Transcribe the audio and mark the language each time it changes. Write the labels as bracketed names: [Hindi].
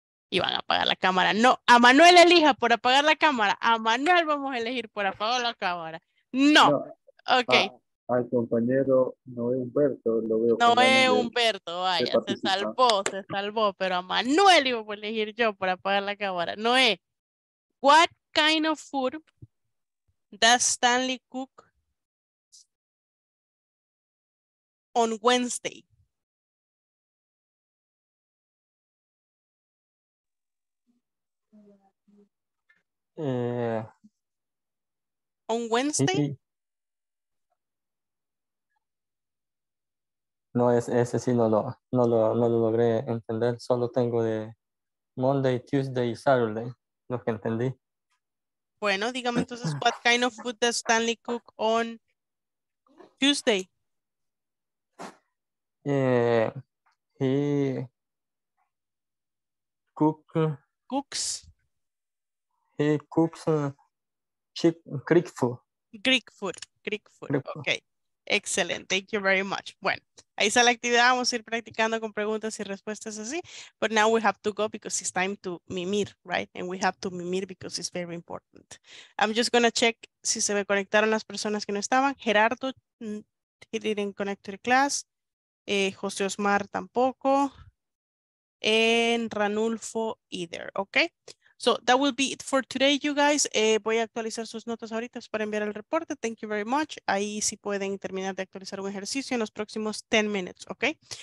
[Spanish] Y van a apagar la cámara. No, a Manuel elija por apagar la cámara. A Manuel vamos a elegir por apagar la cámara. No. No, ok. Al compañero Noé Humberto lo veo. Noé Humberto, vaya, se salvó. Pero a Manuel iba a elegir yo por apagar la cámara. [English] Noé, what kind of food does Stanley cook on Wednesday? On Wednesday? [Spanish] No, ese sí no lo logré entender. Solo tengo de Monday, Tuesday y Saturday, lo que entendí. Bueno, dígame entonces, [English] what kind of food does Stanley cook on Tuesday? He cooks. He cooks Greek food. Greek food. Okay. Excelente, thank you very much. [Spanish] Bueno, ahí está la actividad, vamos a ir practicando con preguntas y respuestas así. [English] But now we have to go because it's time to mimir, right? And we have to mimir because it's very important. I'm just going to check [Spanish] si se me conectaron las personas que no estaban. [English] Gerardo, he didn't connect to the class. José Osmar tampoco. And Ranulfo either, okay? So that will be it for today, you guys. [Spanish] Voy a actualizar sus notas ahorita para enviar el reporte. [English] Thank you very much. [Spanish] Ahí sí pueden terminar de actualizar un ejercicio en los próximos 10 minutes, okay?